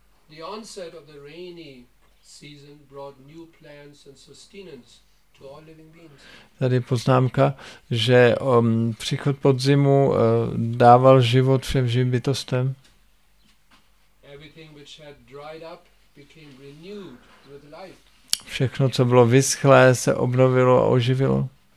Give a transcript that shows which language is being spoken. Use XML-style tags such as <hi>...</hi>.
<en>The onset of the rainy season brought new plants and sustenance to all living beings.</en> <cs>Tady je poznámka, že příchod podzimu dával život všem živým bytostem.</cs> <en>Everything which had dried up became renewed with life.</en> <cs>Všechno, co bylo vyschlé, se obnovilo a oživilo.</cs>